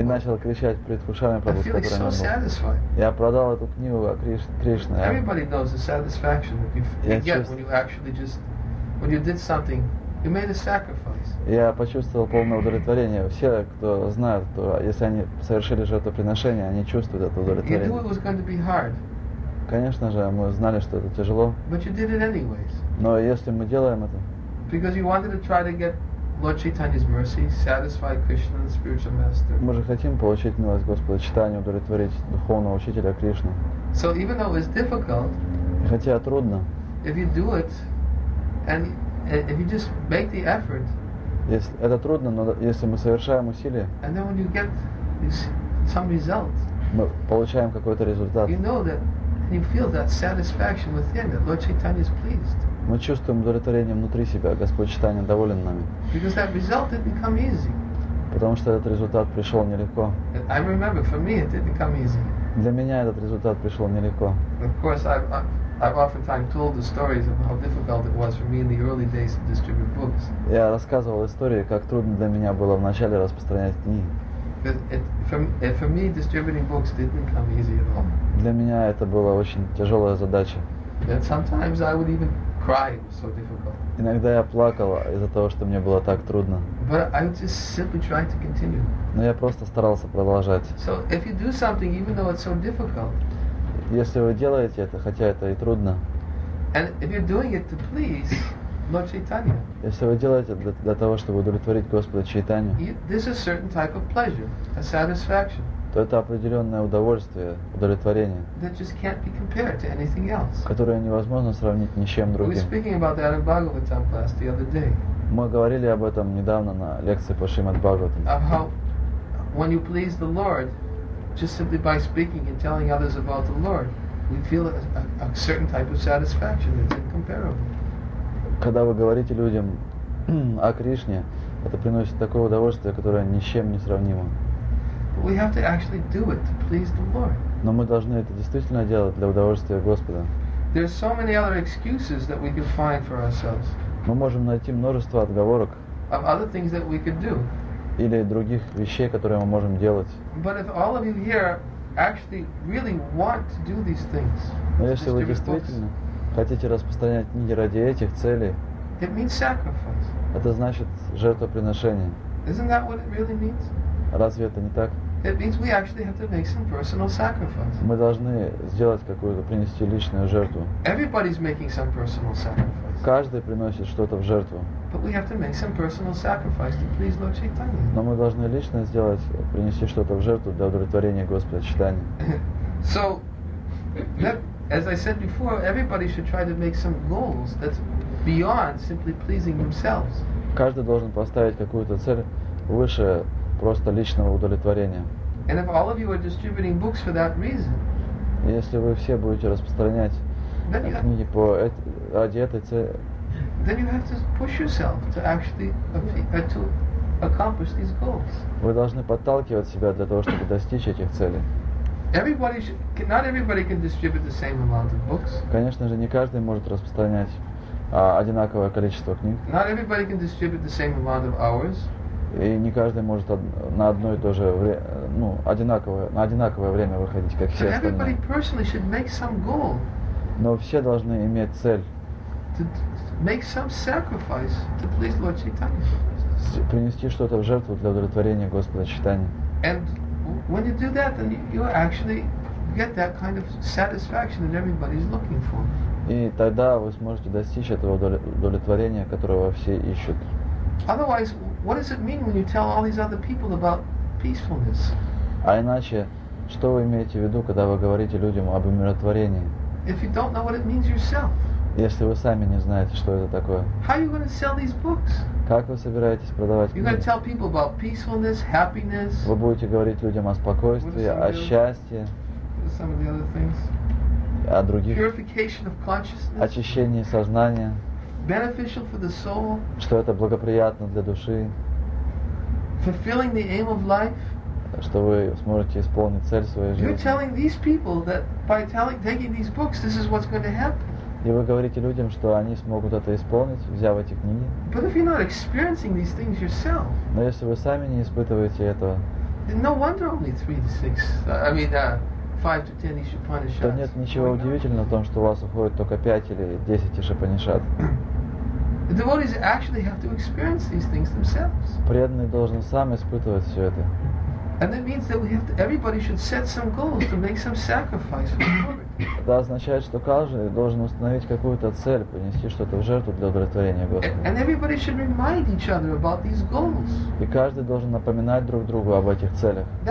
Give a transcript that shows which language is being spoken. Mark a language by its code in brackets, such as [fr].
[ru] И начал кричать перед Кришной про [en] Кришну. I feel so satisfied. [ru] Я продал эту книгу о Кришне. [en] Everybody knows the satisfaction that you get when you actually just when you did something. You made a sacrifice. [ru] Я почувствовал полное удовлетворение. Все, кто знает, кто, если они совершили жертвоприношение, они чувствуют это удовлетворение. [en] You knew it was going to be hard. [ru] Конечно же, мы знали, что это тяжело. [en] But you did it anyways. [ru] Но если мы делаем это... [en] Because you wanted to try to get Lord Chaitanya's mercy, satisfy Krishna, the spiritual master. [ru] Мы же хотим получить милость Господа Чайтаньи, удовлетворить духовного учителя Кришну. [en] So even though it's difficult, [ru] хотя трудно, [en] if you do it, and if you just make the effort, [ru] если это трудно, но если мы совершаем усилия, [en] and then when you get some result, [ru] мы получаем какой-то результат, [en] you know that, and you feel that satisfaction within that Lord Chaitanya is pleased. [ru] Мы чувствуем удовлетворение внутри себя, Господь Чайтанья доволен нами. [en] Because that result didn't come easy. [ru] Потому что этот результат пришел нелегко. [en] I remember for me it didn't come easy. [ru] Для меня этот результат пришел нелегко. [en] Of course, I've oftentimes told the stories of how difficult it was for me in the early days to distribute books. [ru] Я рассказывал истории, как трудно для меня было в начале распространять книги. [en] For me, distributing books didn't come easy at all. [ru] Для меня это была очень тяжелая задача. [en] And sometimes I would even cry. It was so difficult. [ru] Иногда я плакал из-за того, что мне было так трудно. [en] But I would just simply try to continue. [ru] Но я просто старался продолжать. [en] So if you do something, even though it's so difficult. [ru] Если вы делаете это, хотя это и трудно. [en] And if you're doing it to please Lord Chaitanya. [ru] Если вы делаете это для того, чтобы удовлетворить Господа Чайтанью. [en] This is a certain type of pleasure, a satisfaction. [ru] То это определенное удовольствие, удовлетворение. [en] That just can't be compared to anything else. [ru] Которое невозможно сравнить ни с чем другим. [en] We were speaking about that in Bhagavatam class the other day. [ru] Мы говорили об этом недавно на лекции по Шримад Бхагаватам. [en] Of how when you please the Lord, just simply by speaking and telling others about the Lord, we feel a certain type of satisfaction that's incomparable. [ru] Когда вы говорите людям о Кришне, это приносит такое удовольствие, которое ни с чем не сравнимо. [en] But we have to actually do it to please the Lord. [ru] Но мы должны это действительно делать для удовольствия Господа. [en] There are so many other excuses that we can find for ourselves. [ru] Мы можем найти множество отговорок. [en] Of other things that we could do. [ru] Или других вещей, которые мы можем делать. [en] But if all of you here actually really want to do these things, [ru] но если вы действительно хотите распространять книги ради этих целей, [en] it means sacrifice. [ru] Это значит жертвоприношение. [en] Isn't that what it really means? [ru] Разве это не так? [en] It means we actually have to make some personal sacrifice. [ru] Мы должны сделать какую-то, принести личную жертву. [en] Everybody's making some personal sacrifice. [ru] Каждый приносит что-то в жертву. [en] But we have to make some personal sacrifice to please Lord Chaitanya. [ru] Но мы должны лично сделать, принести что-то в жертву для удовлетворения Господа Чайтаньи. [en] So, that, as I said before, everybody should try to make some goals that's beyond simply pleasing themselves. [ru] Каждый должен поставить какую-то цель выше просто личного удовлетворения. [en] And if all of you are distributing books for that reason, [ru] если вы все будете распространять книги по ради этой цели, [en] then you have to push yourself to actually to accomplish these goals. [ru] Вы должны подталкивать себя для того, чтобы достичь этих целей. [en] Everybody should, not everybody can distribute the same amount of books. [ru] Конечно же, не каждый может распространять одинаковое количество книг. [en] Not everybody can distribute the same amount of hours. [ru] И не каждый может на одно и то же одинаковое время выходить, как все остальные. [en] But everybody personally should make some goal. [ru] Но все должны иметь цель. [en] To make some sacrifice to please Lord Chaitanya. [ru] Принести что-то в жертву для удовлетворения Господа Чайтаньи. [en] And when you do that, then you actually get that kind of satisfaction that everybody's looking for. [ru] И тогда вы сможете достичь этого удовлетворения, которого все ищут. [en] Otherwise, what does it mean when you tell all these other people about peacefulness? [ru] А иначе, что вы имеете в виду, когда вы говорите людям об умиротворении? [en] If you don't know what it means yourself. [ru] Если вы сами не знаете, что это такое. [en] How are you going to sell these books? [ru] Как вы собираетесь продавать книги? [en] You're going to tell people about peacefulness, happiness. [ru] Вы будете говорить людям о спокойствии, о счастье. [en] Some of the other things. [ru] О других. [en] Purification of consciousness. [ru] Очищение сознания. [en] Beneficial for the soul. [ru] Что это благоприятно для души. [en] Fulfilling the aim of life. [ru] Что вы сможете исполнить цель своей жизни. [en] You're telling these people that by taking these books, this is what's going to happen. [ru] И вы говорите людям, что они смогут это исполнить, взяв эти книги. [en] But if you're not experiencing these things yourself, [ru] но если вы сами не испытываете этого, [en] then no wonder only 3 to 6, I mean, 5 to 10 Ишупанишад. [ru] То нет ничего удивительного в том, что у вас уходит только 5 или 10 Ишупанишад. [en] The devotees actually have to experience these things themselves. [ru] Преданный должен сам испытывать все это. [en] And that means that everybody should set some goals to make some sacrifice for the Lord. [ru] Это означает, что каждый должен установить какую-то цель, принести что-то в жертву для удовлетворения Господа. И каждый должен напоминать друг другу об этих целях.